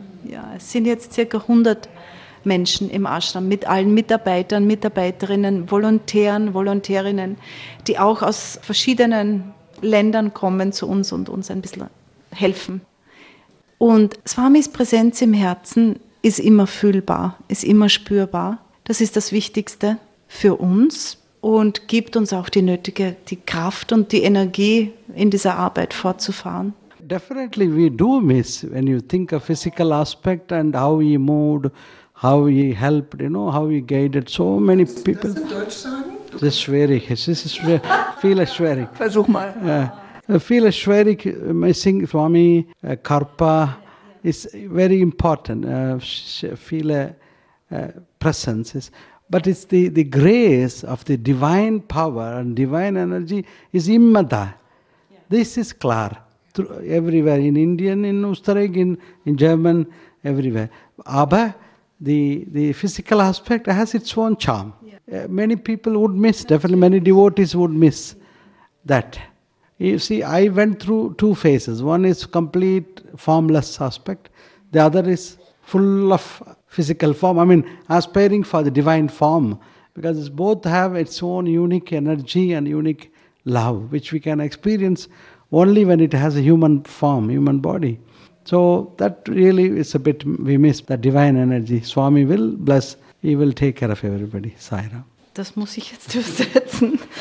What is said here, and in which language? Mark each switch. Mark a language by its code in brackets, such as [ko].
[de] Ja, es sind jetzt circa 100 Menschen im Ashram, mit allen Mitarbeitern, Mitarbeiterinnen, Volontären, Volontärinnen, die auch aus verschiedenen Ländern kommen zu uns und uns ein bisschen helfen. Und Swamis Präsenz im Herzen ist immer fühlbar, ist immer spürbar. Das ist das Wichtigste für uns und gibt uns auch die nötige die Kraft und die Energie, in dieser Arbeit fortzufahren. [en] Definitely we do miss, when you think of physical aspect and how he moved, how he helped, you know, how he guided so many people. [de] Das in Deutsch sagen? Das ist schwierig. Das ist schwierig. Viele schwierig. Versuch mal. [en] Yeah. [de] Viele schwierig, [en] I think for me, Karpa is very important, viele presences. But it's the grace of the divine power and divine energy is immada. This is klar, everywhere, in Indian, in Österreich, in German, everywhere. Aber the physical aspect has its own charm. Many people would miss, definitely many devotees would miss that. You see, I went through two phases. One is complete formless aspect. The other is full of physical form. I mean, aspiring for the divine form. Because both have its own unique energy and unique love, which we can experience only when it has a human form, human body. So that really is a bit, we miss that divine energy. Swami will bless, he will take care of everybody. Sai Ram. [de] Das muss ich jetzt übersetzen.